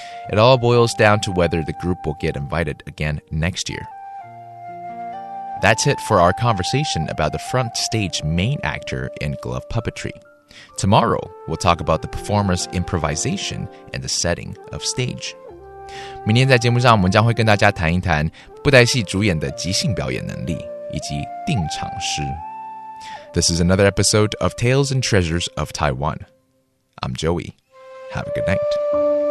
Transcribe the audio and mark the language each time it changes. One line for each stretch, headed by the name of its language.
English: It all boils down to whether the group will get invited again next year. That's it for our conversation about the front stage main actor in glove puppetry. Tomorrow, we'll talk about the performer's improvisation and the setting of stage.
Chinese: 明天在节目上我们将会跟大家谈一谈布袋戏主演的即兴表演能力以及定场诗。
English: This is another episode of Tales and Treasures of Taiwan. I'm Joey. Have a good night.